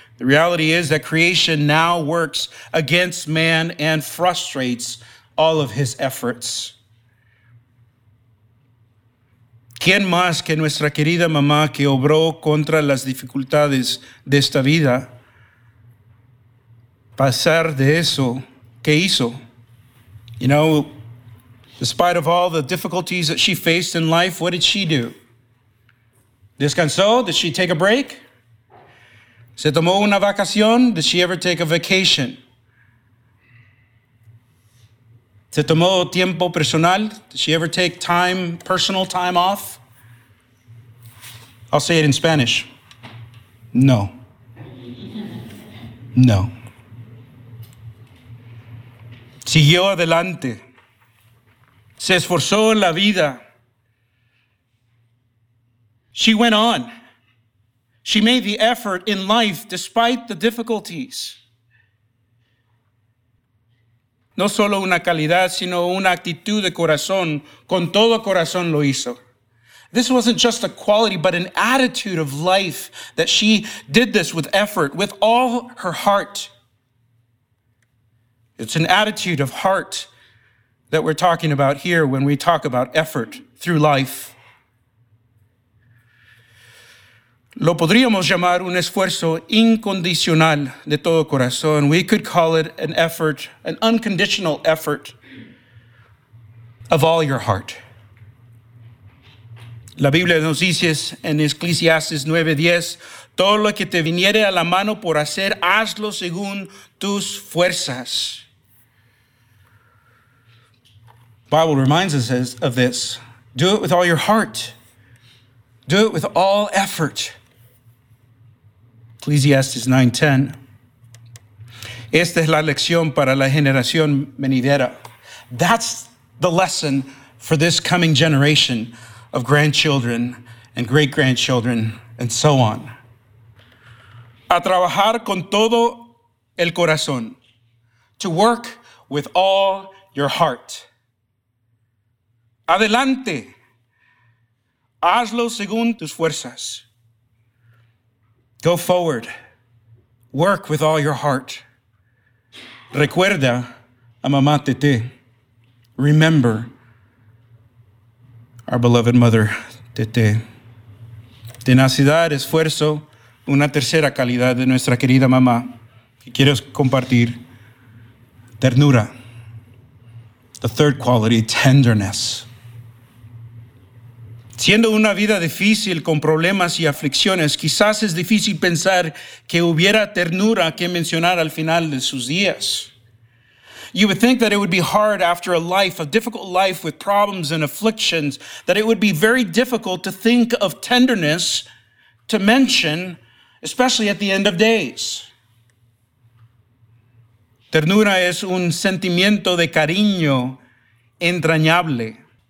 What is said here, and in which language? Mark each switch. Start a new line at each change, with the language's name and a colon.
English: The reality is that creation now works against man and frustrates all of his efforts.
Spanish: ¿Quién más que nuestra querida mamá que obró contra las dificultades de esta vida? Pasar de eso, ¿qué hizo?
English: You know, despite of all the difficulties that she faced in life, what did she do?
Spanish: ¿Descansó?
English: Did she take a break?
Spanish: ¿Se tomó una vacación?
English: Did she ever take a vacation?
Spanish: ¿Se tomó tiempo personal?
English: Did she ever take time, personal time off? I'll say it in Spanish. No.
Spanish: No. Siguió adelante. Se esforzó en la vida.
English: She went on. She made the effort in life despite the difficulties.
Spanish: No solo una calidad, sino una actitud de corazón. Con todo corazón lo hizo.
English: This wasn't just a quality, but an attitude of life that she did this with effort, with all her heart. It's an attitude of heart that we're talking about here when we talk about effort through life.
Spanish: Lo podríamos llamar un esfuerzo incondicional de todo corazón.
English: We could call it an effort, an unconditional effort of all your heart.
Spanish: La Biblia nos dice en Eclesiastes 9:10, todo lo que te viniere a la mano por hacer, hazlo según tus fuerzas.
English: Bible reminds us of this. Do it with all your heart. Do it with all effort. Ecclesiastes 9:10.
Spanish: Esta es la lección para la generación venidera.
English: That's the lesson for this coming generation of grandchildren and great-grandchildren and so on.
Spanish: A trabajar con todo el corazón.
English: To work with all your heart.
Spanish: Adelante. Hazlo según tus fuerzas.
English: Go forward. Work with all your heart.
Spanish: Recuerda a mamá Tete.
English: Remember our beloved mother Tete.
Spanish: Tenacidad, esfuerzo, una tercera calidad de nuestra querida mamá que quiero compartir. Ternura.
English: The third quality, tenderness.
Spanish: Siendo una vida difícil con problemas y aflicciones, quizás es difícil pensar que hubiera ternura que mencionar al final de sus días.
English: You would think that it would be hard after a life, a difficult life with problems and afflictions, that it would be very difficult to think of tenderness to mention, especially at the end of days.
Spanish: Ternura es un sentimiento de cariño entrañable.